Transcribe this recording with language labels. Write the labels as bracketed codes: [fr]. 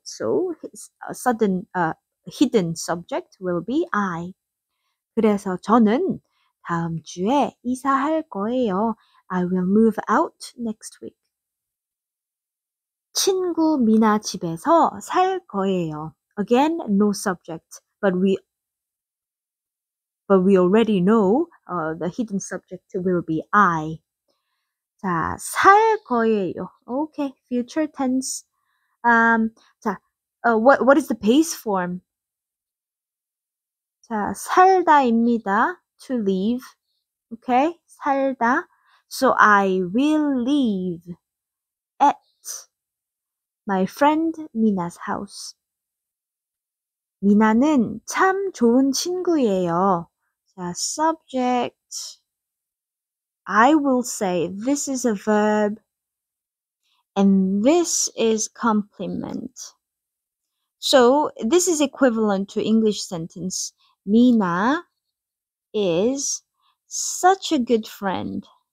[en] So his sudden hidden subject will be I. [ko] 그래서 저는 다음 주에 이사할 거예요. [en] I will move out next week. [ko] 친구 미나 집에서 살 거예요. [en] Again, no subject, but we already know the hidden subject will be I. [ko] 자, 살 거예요. [en] Okay, future tense. 자, what is the base form? [ko] 자, 살다입니다. [en] To leave. Okay, [ko] 살다. [en] So I will leave at my friend Mina's house. [ko] 미나는 참 좋은 친구예요. [en] 자, subject. I will say this is a verb and this is complement. So this is equivalent to English sentence. Mina is such a good friend.